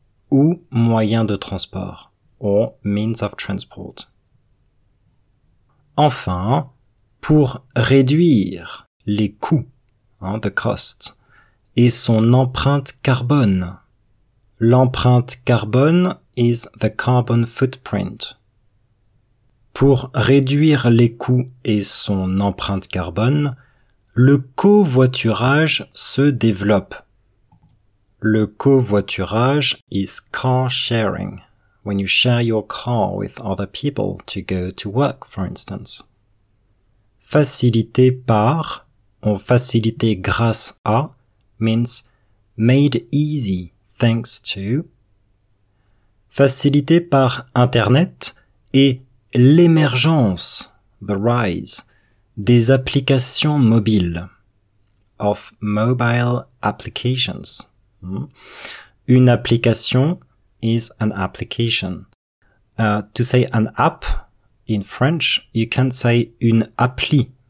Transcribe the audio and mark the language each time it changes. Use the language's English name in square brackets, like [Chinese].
[French] ou moyen de transport, [English] or means of transport. [French] Enfin, pour réduire les coûts, [English] the cost, [French] et son empreinte carbone. L'empreinte carbone [English] is the carbon footprint. [French] Pour réduire les coûts et son empreinte carbone, le covoiturage se développe. Le covoiturage [English] is car sharing, when you share your car with other people to go to work, for instance. [French] Facilité par, ou facilité grâce à, [English] means made easy, thanks to. [French] Facilité par Internet et l'émergence, [English] the rise, [French] des applications mobiles. [English] Of mobile applications. [French] Une application [English] is an application. To say an app, in French, you can say [French] une appli.